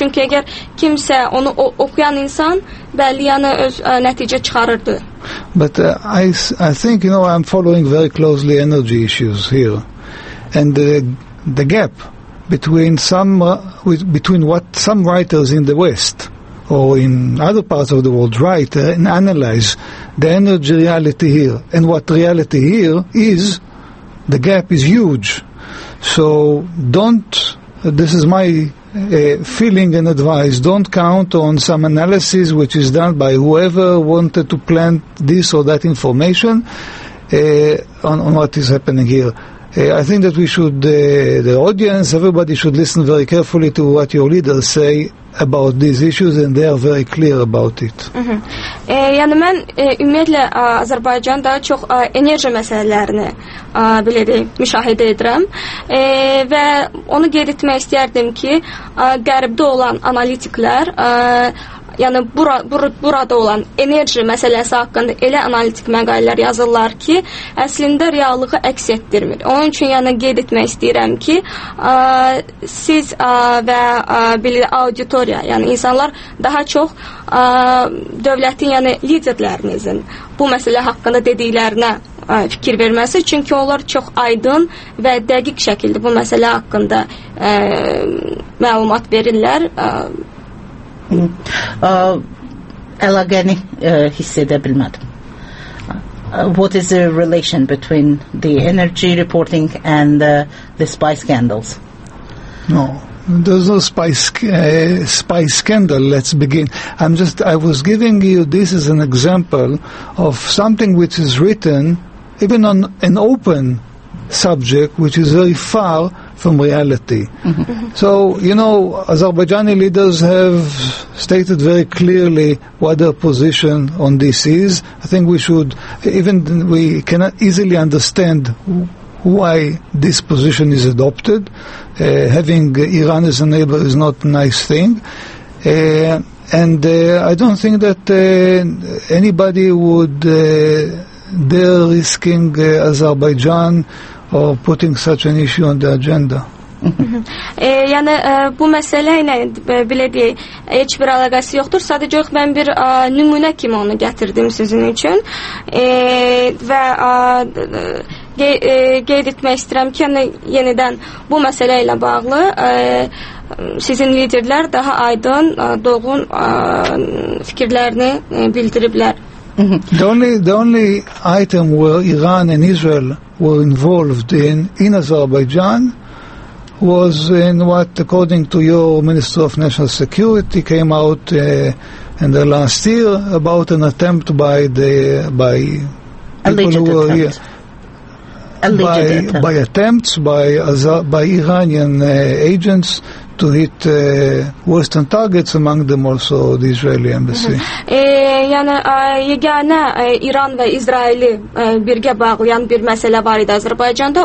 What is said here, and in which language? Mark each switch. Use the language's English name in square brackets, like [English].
[Azerbaijani] Çünki əgər kimsə onu oxuyan insan, bəli, yəni öz nəticə çıxarırdı. [English] But I think, you know, I'm following very closely energy issues here. And the gap between what some writers in the West or in other parts of the world write and analyze the energy reality here. And what reality here is, the gap is huge. So don't, this is my feeling and advice, don't count on some analysis which is done by whoever wanted to plant this or that information on what is happening here. I think that we should, the audience, everybody should listen very carefully to what your leaders say about these issues and they are very clear about it. [Azerbaijani] Yəni mən ümumiyyətlə Azərbaycan daha çox enerji məsələlərini belə deyim, müşahidə edirəm. Və onu qeyd etmək istəyərdim ki, qərbdə olan analitiklər yəni burada olan enerji məsələsi haqqında elə analitik məqalələr yazırlar ki, əslində reallığı əks etdirmir. Onun üçün yəni qeyd etmək istəyirəm ki, siz və bilir auditoriya, yəni insanlar daha çox dövlətin yəni liderlərinizin bu məsələ haqqında dediklərinə fikir verməsi, çünki onlar çox aydın və dəqiq şəkildə bu məsələ haqqında məlumat verirlər. Əlaqəni hiss edə bilmədim. [English] What is the relation between the energy reporting and the spy scandals? No, there's no spy scandal. Let's begin. I was giving you this as an example of something which is written even on an open subject, which is very far from reality. Mm-hmm. So, you know, Azerbaijani leaders have stated very clearly what their position on this is. I think we can easily understand why this position is adopted. Having Iran as a neighbor is not a nice thing. I don't think that anybody would dare risking Azerbaijan or putting such an issue on the agenda. [Azerbaijani] Yəni bu məsələ ilə belə deyək, heç bir əlaqəsi yoxdur. Sadəcə yox, mən bir nümunə kimi onu gətirdim sizin üçün. Qeyd etmək istəyirəm ki, yəni yenidən bu məsələ ilə bağlı sizin liderlər daha aydın, doğrun fikirlərini bildiriblər. [English] The only item where Iran and Israel were involved in Azerbaijan was in what, according to your Minister of National Security, came out in the last year about an attempt by the by Iranian agents to hit Western targets, among them also the Israeli embassy. [Azerbaijani] Yəni, yeganə İran və İsraili birgə bağlayan bir məsələ var idi Azərbaycanda.